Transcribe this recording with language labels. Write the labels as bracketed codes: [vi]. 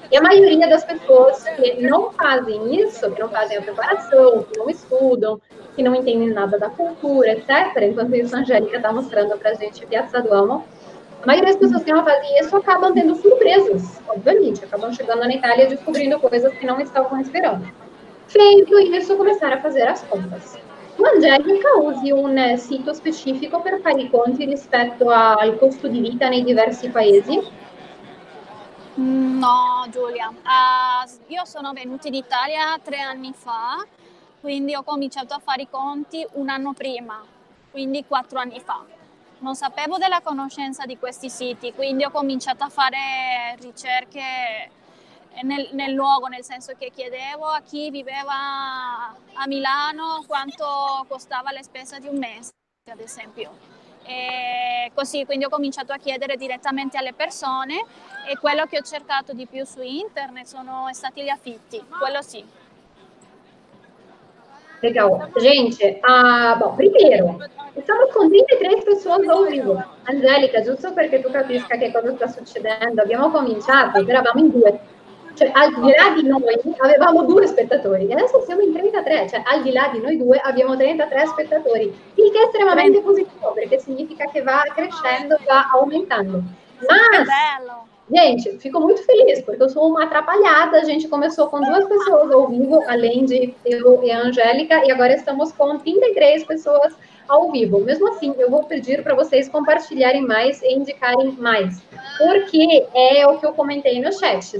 [pt] E a maioria das pessoas que não fazem isso, que não fazem a preparação, que não estudam, que não entendem nada da cultura, etc., enquanto isso a Angélica está mostrando para a gente Piazza Duomo, a maioria das pessoas que não fazem isso acabam tendo surpresas, obviamente, acabam chegando na Itália descobrindo coisas que não estavam esperando. Feito isso, começaram a fazer as contas. [it] Angélica usi un sito specifico per fare i conti rispetto al costo di vita nei diversi paesi? No, Giulia, io sono venuta in Italia 3 anni fa, quindi ho cominciato a fare i conti un anno prima, quindi 4 anni fa. Non sapevo della conoscenza di questi siti, quindi ho cominciato a fare ricerche nel luogo, nel senso che chiedevo a chi viveva a Milano quanto costava la spesa di un mese, ad esempio. E così, quindi ho cominciato a chiedere direttamente alle persone e quello che ho cercato di più su internet sono stati gli affitti, quello sì. [pt] Legal. Gente, primeiro, estamos com 33 pessoas ao vivo. [it] Angélica, giusto perché tu capisca che cosa sta succedendo, abbiamo cominciato, eravamo in due. Cioè, al di là di noi avevamo due spettatori, adesso siamo in 33, cioè al di là di noi due abbiamo 33 spettatori, il che è estremamente positivo, perché significa che va crescendo, va aumentando. Sì, che [pt] Mas, [it] bello. [pt] gente, [it] fico molto felice, [pt] perché eu sou uma atrapalhada. A gente começou com 2 pessoas ao vivo, além de eu e a Angélica, e agora estamos com 33 pessoas ao vivo. Mesmo assim, eu vou pedir para vocês compartilharem mais e indicarem mais, porque é o que eu comentei no chat.